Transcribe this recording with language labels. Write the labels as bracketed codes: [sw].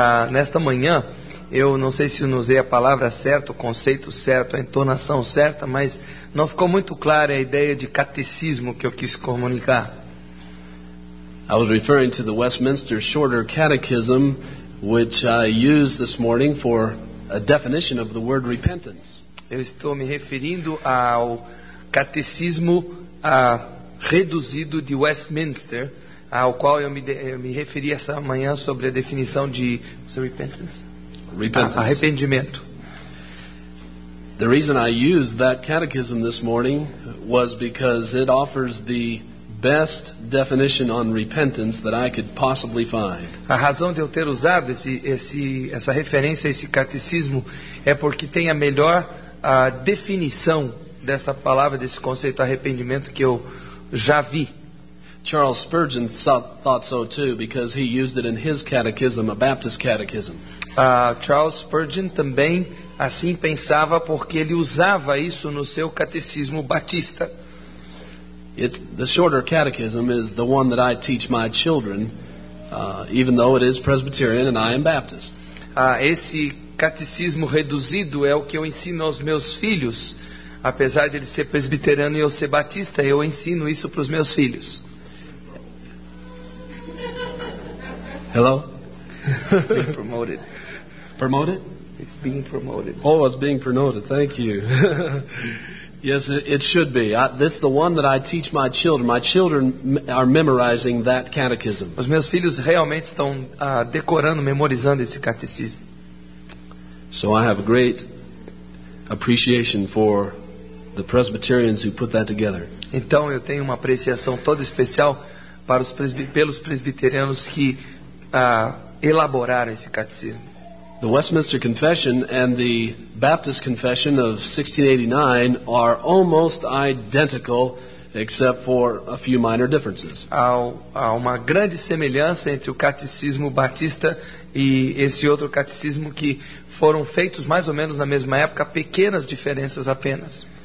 [pt] Nesta manhã, eu não sei se usei a palavra certa, o conceito certo, a entonação certa, mas não ficou muito clara a ideia de catecismo que eu quis comunicar. [en] I was referring to the Westminster Shorter Catechism, which I used this morning for a definition of the word repentance. [pt] Eu estou me referindo ao catecismo reduzido de Westminster, ao qual eu me referi essa manhã sobre a definição de repentance. [en] Repentance. [pt] Arrependimento. [en] The reason I used that catechism this morning was because it offers the best definition on repentance that I could possibly find. [pt] A razão de eu ter usado essa referência, esse catecismo, é porque tem a melhor definição dessa palavra, desse conceito arrependimento que eu já vi. [en] Charles Spurgeon thought so too, because he used it in his catechism, a Baptist catechism. [pt] Charles Spurgeon também assim pensava, porque ele usava isso no seu catecismo batista. [en] The shorter catechism is the one that I teach my children, even though it is Presbyterian and I am Baptist. [pt] Esse catecismo reduzido é o que eu ensino aos meus filhos, apesar de ele ser presbiteriano e eu ser batista, eu ensino isso para os meus filhos. [en] Hello? It's being promoted. Promoted? It's being promoted. Oh, it's being promoted. Thank you. Yes, it should be. This is the one that I teach my children. My children are memorizing that catechism. [pt] Os meus filhos realmente estão decorando, memorizando esse catecismo. [en] So I have a great appreciation for the Presbyterians who put that together. [pt] Então eu tenho uma apreciação toda especial para pelos presbiterianos que elaborar esse catecismo. [en] The Westminster Confession and the Baptist Confession of 1689 are almost identical, except for a few minor differences. [pt] Há uma grande semelhança entre o catecismo batista e esse outro catecismo que foram feitos mais ou menos na mesma época, pequenas diferenças apenas.